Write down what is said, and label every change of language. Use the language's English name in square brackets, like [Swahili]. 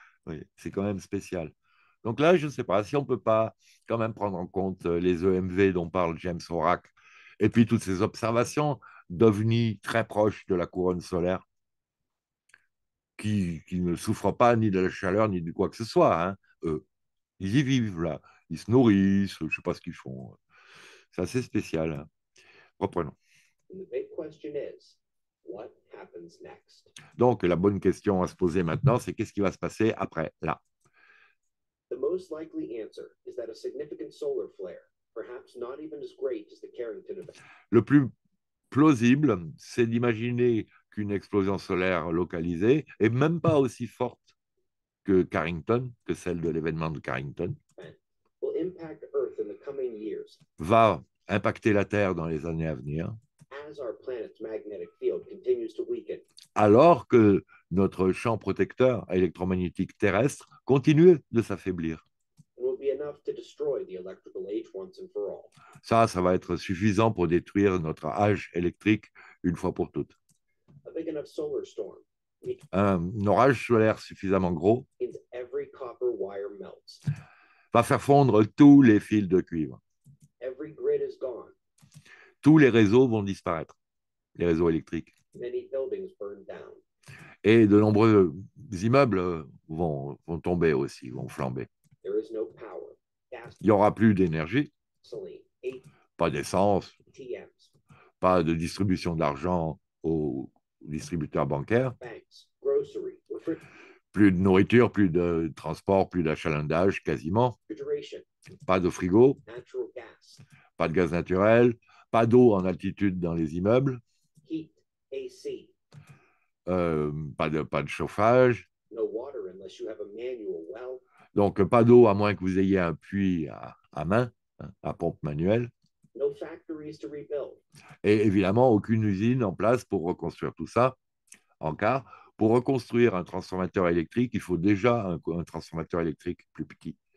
[French] Oui, c'est quand même spécial. Donc là, je ne sais pas si on ne peut pas quand même prendre en compte les EMV dont parle James Orrack et puis toutes ces observations d'ovnis très proches de la couronne solaire qui ne souffrent pas ni de la chaleur ni de quoi que ce soit. Hein. Ils y vivent là, ils se nourrissent, je ne sais pas ce qu'ils font. C'est assez spécial. Hein. Reprenons. [English] And the big question is, what happens next? [French] Donc la bonne question à se poser maintenant, c'est qu'est-ce qui va se passer après là? [English] The most likely answer is that a significant solar flare, perhaps not even as great as the Carrington event. [French] Le plus plausible, c'est d'imaginer qu'une explosion solaire localisée est même pas aussi forte que Carrington, que celle de l'événement de Carrington, [English] Will impact Earth in the coming years. [French] va impacter la Terre dans les années à venir, [English] As our planet's magnetic field continues to weaken. [French] alors que notre champ protecteur électromagnétique terrestre continue de s'affaiblir. [English] It will be enough to destroy the electrical age once and for all. [French] Ça va être suffisant pour détruire notre âge électrique une fois pour toutes. [English] A big enough solar storm means [French] Un orage solaire suffisamment gros [English] every copper wire melts. [French] va faire fondre tous les fils de cuivre. [English] Every grid is gone. [French] Tous les réseaux vont disparaître, les réseaux électriques. [English] Many buildings burn down. [French] Et de nombreux immeubles vont tomber aussi, vont flamber. [English] There is no power. Gas, [French] Il n'y aura plus d'énergie. [English] gasoline, ATMs. [French] Pas d'essence, pas de distribution d'argent aux distributeurs bancaires, [English] Banks, grocery, refrigeration. [French] plus de nourriture, plus de transport, plus d'achalandage quasiment, [English] Refrigeration. [French] pas de frigo, [English] Natural gas. [French] pas de gaz naturel, pas d'eau en altitude dans les immeubles, [English] Heat. AC. [French] pas de chauffage, [English] No water unless you have a manual well. [French] donc pas d'eau à moins que vous ayez un puits à main, hein, à pompe manuelle. [English] No factories to rebuild. [French] Et évidemment, aucune usine en place pour reconstruire tout ça. En car, pour reconstruire un transformateur électrique, il faut déjà un transformateur électrique plus petit.